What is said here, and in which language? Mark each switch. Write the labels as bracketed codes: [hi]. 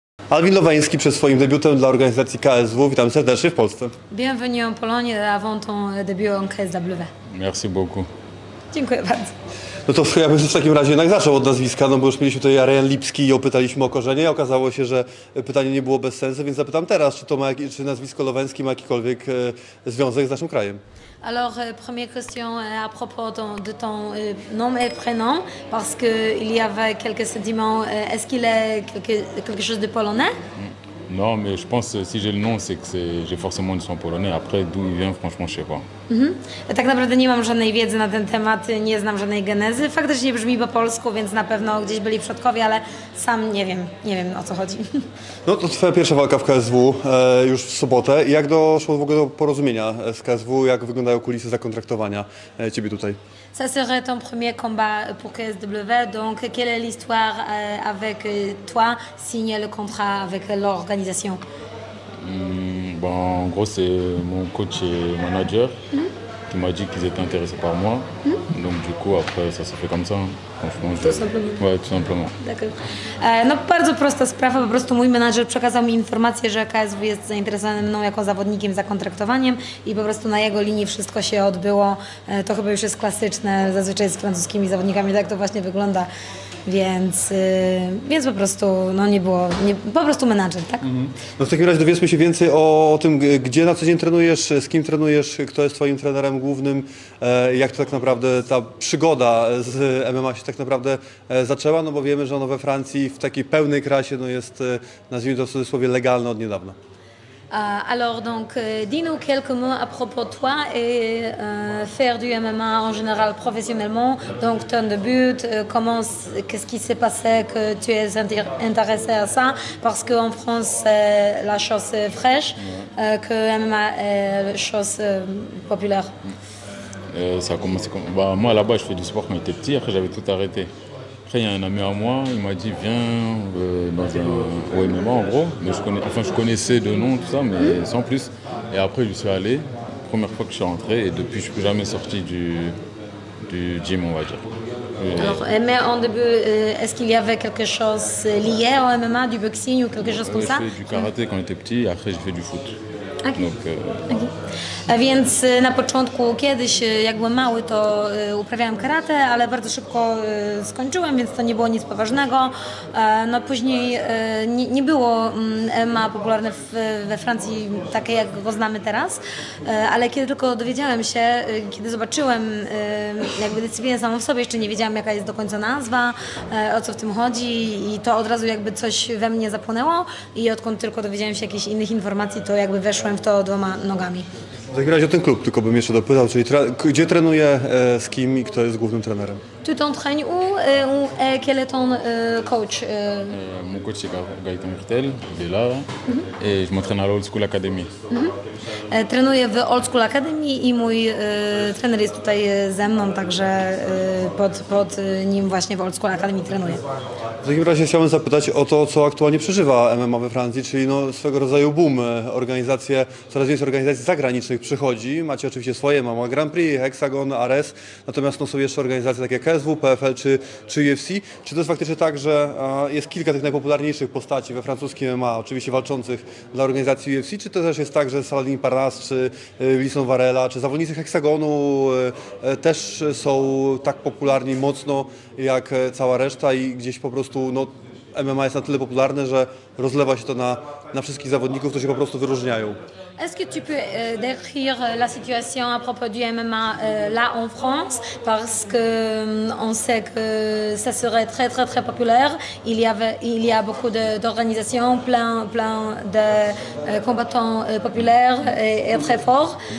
[pl] Alvin Lovański przed swoim debiutem dla organizacji KSW. Witam serdecznie w Polsce. [fr] Bienvenue en Polonie, avant ton debut en KSW. Merci beaucoup. [pl] Dziękuję bardzo. No to ja bym w takim razie jednak zaczął od nazwiska, no bo już mieliśmy tutaj Arian Lipski i opytaliśmy o korzenie. Okazało się, że pytanie nie było bez sensu, więc zapytam teraz, czy to ma, czy nazwisko Lovański ma jakikolwiek związek z naszym krajem? [fr] Alors, première question à propos de ton nom et prénom, parce qu'il y avait quelques sentiments, est-ce qu'il est quelque chose de polonais? Non, mais je pense que si j'ai le nom, c'est que j'ai forcément du sang polonais. Après, d'où il vient, franchement, je ne sais pas. Mm-hmm. [pl] Tak naprawdę nie mam żadnej wiedzy na ten temat, nie znam żadnej genezy. Faktycznie brzmi po polsku, więc na pewno gdzieś byli przodkowie, ale sam nie wiem o co chodzi. No to twoja pierwsza walka w KSW już w sobotę. Jak doszło w ogóle do porozumienia z KSW? Jak wyglądają kulisy zakontraktowania ciebie tutaj? [fr] Ça serait ton premier combat pour KSW, donc quelle est l'histoire avec toi, signer le contrat avec l'organisation? En gros, c'est mon coach et manager qui m'a dit qu'ils étaient intéressés par moi. Donc du coup, après, ça s'est fait comme ça. Tout simplement. D'accord. [pl] No, bardzo prosta sprawa. Po prostu mój menadżer przekazał mi informację, że KSW jest zainteresowany mną jako zawodnikiem za kontraktowaniem i po prostu na jego linii wszystko się odbyło. To chyba już jest klasyczne. Zazwyczaj z francuskimi zawodnikami tak to właśnie wygląda. Więc po prostu no nie było, nie, po prostu menadżer, tak? Mhm. No w takim razie dowiedzmy się więcej o tym, gdzie na co dzień trenujesz, z kim trenujesz, kto jest twoim trenerem głównym, jak to tak naprawdę ta przygoda z MMA się tak naprawdę zaczęła, no bo wiemy, że ono we Francji w takiej pełnej krasie no jest, nazwijmy to w cudzysłowie, legalne od niedawna. [fr] Alors donc, dis-nous quelques mots à propos de toi et faire du MMA en général professionnellement, donc ton début, qu'est-ce qui s'est passé que tu es intéressé à ça, parce qu'en France c'est la chose fraîche, que MMA est la chose populaire. Ça a commencé comme... Bah, moi là-bas je fais du sport quand j'étais petit, après j'avais tout arrêté. Après, il y a un ami à moi, il m'a dit viens dans un MMA en gros. Mais je connaissais de nom, tout ça, mais sans plus. Et après, je suis allé, première fois que je suis rentré, et depuis, je ne suis jamais sorti du gym, on va dire. Alors, mais en début, est-ce qu'il y avait quelque chose lié au MMA, du boxing ou quelque chose comme ça? J'ai fait du karaté quand j'étais petit, et après, j'ai fait du foot. Okay. [pl] Okay. A więc na początku kiedyś, jak byłem mały, to uprawiałem karate, ale bardzo szybko skończyłem, więc to nie było nic poważnego. No później nie było MMA popularne we Francji takie, jak go znamy teraz, ale kiedy tylko dowiedziałem się, kiedy zobaczyłem jakby dyscyplinę samą w sobie, jeszcze nie wiedziałam, jaka jest do końca nazwa, o co w tym chodzi i to od razu jakby coś we mnie zapłonęło i odkąd tylko dowiedziałem się jakichś innych informacji, to jakby weszło w to dwoma nogami. W takim razie o ten klub tylko bym jeszcze dopytał, czyli gdzie trenuję, z kim i kto jest głównym trenerem? [fr] Tu t'entraînes où et quel est ton coach? Mon coach c'est Gaëtan Hurtel, il est là et je m'entraîne à l'Old School Academy. [pl] Trenuję w Old School Academy i mój trener jest tutaj ze mną, także pod nim właśnie w Old School Academy trenuję. W takim razie chciałbym zapytać o to, co aktualnie przeżywa MMA we Francji, czyli no swego rodzaju boom. Organizacje, coraz więcej organizacji zagranicznych przychodzi. Macie oczywiście swoje, mamy Grand Prix, Hexagon, Ares, natomiast no są jeszcze organizacje takie jak KSW, PFL czy UFC. Czy to jest faktycznie tak, że jest kilka tych najpopularniejszych postaci we francuskim MMA, oczywiście walczących dla organizacji UFC, czy to też jest tak, że Saladin Parnas, czy Wilson Varela, czy zawodnicy Hexagonu też są tak popularni mocno jak cała reszta i gdzieś po prostu no, MMA jest na tyle popularne, że rozlewa się to na wszystkich zawodników, którzy się po prostu wyróżniają. [fr] Est-ce que tu peux décrire la situation à propos du MMA là en France? Parce qu'on sait que ça serait très très très populaire. Il y a beaucoup d'organisations, plein de combattants populaires et très forts.